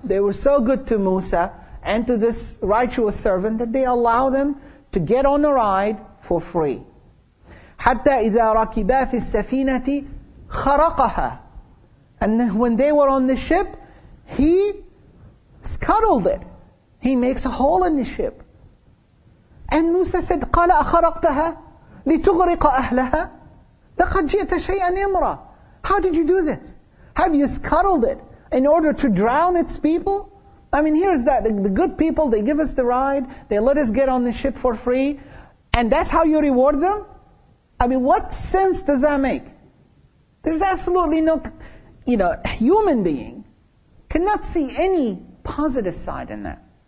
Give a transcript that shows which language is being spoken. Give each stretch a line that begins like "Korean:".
English: They were so good to Musa and to this righteous servant that they allow them to get on a ride for free.
Arabic: حَتَّى إِذَا رَكِبَا فِي السَّفِينَةِ خَرَقَهَا.
English: And when they were on the ship, he scuttled it. He makes a hole in the ship. And Musa said,
Arabic: قَالَ أَخَرَقْتَهَا لِتُغْرِقَ أَهْلَهَا لَقَدْ جِئْتَ شَيْئًا إِمْرًا.
English: How did you do this? Have you scuttled it in order to drown its people? I mean, here's that. The good people, they give us the ride. They let us get on the ship for free. And that's how you reward them? I mean, what sense does that make? There's absolutely no... You know, a human being cannot see any positive side in that.